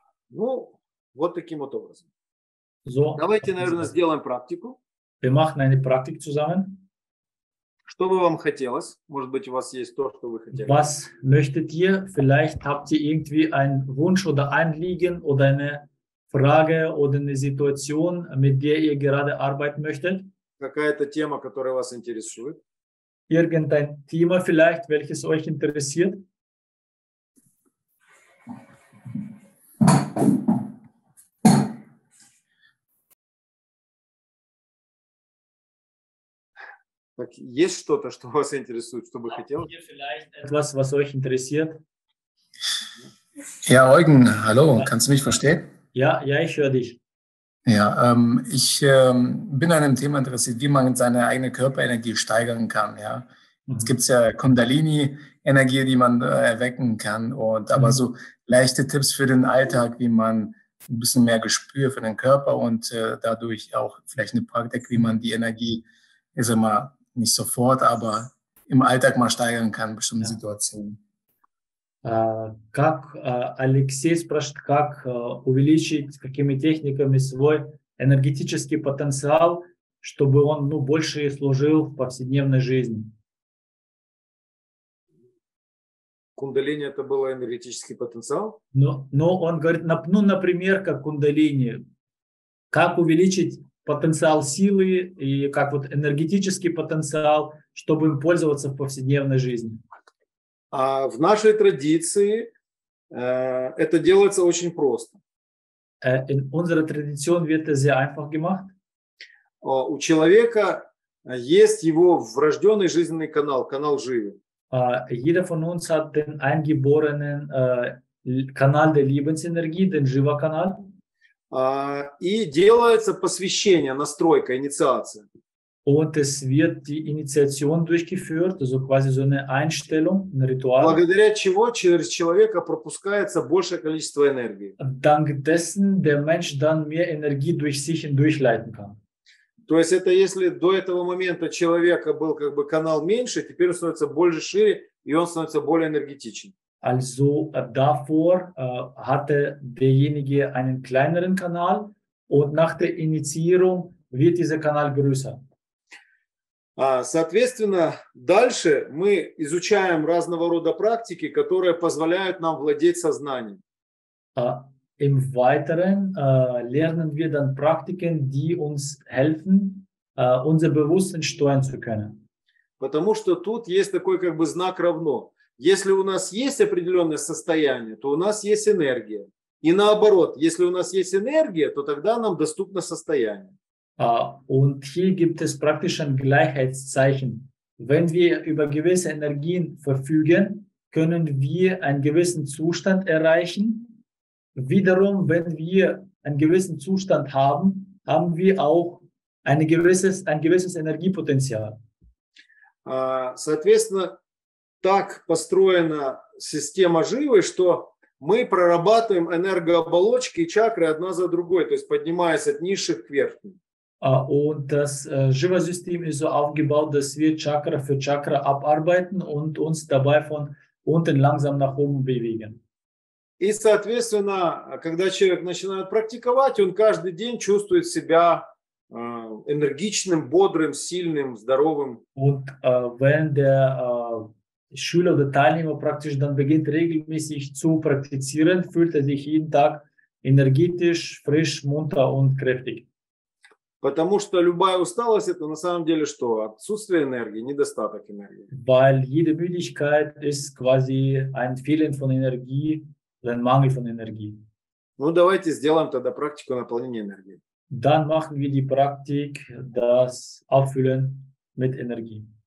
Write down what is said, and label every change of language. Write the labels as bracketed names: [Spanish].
[Russian] Ну, вот таким вот образом. So, давайте, наверное, сделаем практику. [German] Wir machen eine Praktik zusammen. [Russian] Что бы вам хотелось? Может быть, у вас есть то, что вы хотели. [German] Was möchtet ihr? Vielleicht habt ihr irgendwie einen Wunsch oder Anliegen oder eine Frage oder eine Situation, mit der ihr gerade arbeiten möchtet. [Russian] Какая-то тема, которая вас интересует. [German] Irgendein Thema vielleicht, welches euch interessiert. [Russian] Так, есть что-то, что вас интересует, что бы хотелось? [German] Etwas, was euch interessiert? Ja, Eugen, hallo, kannst du mich verstehen? Ja, ich höre dich. Ja, ich bin an einem Thema interessiert, wie man seine eigene Körperenergie steigern kann. Ja, es gibt ja Kundalini-Energie, die man erwecken kann. Und aber so leichte Tipps für den Alltag, wie man ein bisschen mehr Gespür für den Körper und dadurch auch vielleicht eine Praktik, wie man die Energie, ich sag mal, nicht sofort, aber im Alltag mal steigern kann, bestimmte Situationen. [Russian] Как Алексей спрашивает, как увеличить какими техниками свой энергетический потенциал, чтобы он ну, больше служил в повседневной жизни? Кундалини – это был энергетический потенциал? Но он говорит, ну, например, как кундалини, как увеличить потенциал силы и как вот энергетический потенциал, чтобы им пользоваться в повседневной жизни? А в нашей традиции это делается очень просто. [German] In unserer Tradition wird es sehr einfach gemacht. [Russian] У человека есть его врожденный жизненный канал, канал живи. [German] Jeder von uns hat den eingeborenen Kanal der Lebensenergie, den Jiva-Kanal. [Russian] И делается посвящение, настройка, инициация. [German] Und es wird die Initiation durchgeführt, also quasi so eine Einstellung, ein Ritual. [Russian] Благодаря чего через человека пропускается большее количество энергии. [German] Dank dessen der Mensch dann mehr Energie durch sich hindurchleiten kann. [Russian] То есть это если до этого момента человека был как бы канал меньше, теперь он становится больше, шире, и он становится более энергетичен. [German] Also davor hatte derjenige einen kleineren Kanal und nach der Initiierung wird dieser Kanal größer. [Russian] Соответственно, дальше мы изучаем разного рода практики, которые позволяют нам владеть сознанием. [German] Im Weiteren lernen wir dann Praktiken, die uns helfen, unser Bewusstsein steuern zu können. [Russian] Потому что тут есть такой как бы знак равно. Если у нас есть определенное состояние, то у нас есть энергия. И наоборот, если у нас есть энергия, то тогда нам доступно состояние. [German] Und hier gibt es praktisch ein Gleichheitszeichen. Wenn wir über gewisse Energien verfügen, können wir einen gewissen Zustand erreichen. Wiederum, wenn wir einen gewissen Zustand haben, haben wir auch ein gewisses Energiepotenzial. [Russian] Соответственно, так построена система живы, что мы прорабатываем энергооболочки и чакры одна за другой, то есть поднимаясь от низших к верхним. [German] Und das Shiva-System ist so aufgebaut, dass wir Chakra für Chakra abarbeiten und uns dabei von unten langsam nach oben bewegen. [Russian] И, соответственно, когда человек начинает практиковать, он каждый день чувствует себя энергичным, бодрым, сильным, здоровым. [German] Und wenn der Schüler oder Teilnehmer praktisch dann beginnt regelmäßig zu praktizieren, fühlt sich jeden Tag energetisch, frisch, munter und kräftig. [Russian] Потому что любая усталость – это на самом деле что? Отсутствие энергии, недостаток энергии. [German] Weil jede Müdigkeit ist quasi ein Fehlen von Energie, ein Mangel von Energie. [Russian] Ну, давайте сделаем тогда практику наполнения энергии. [German] Dann machen wir die Praktik, das Auffüllen mit Energie.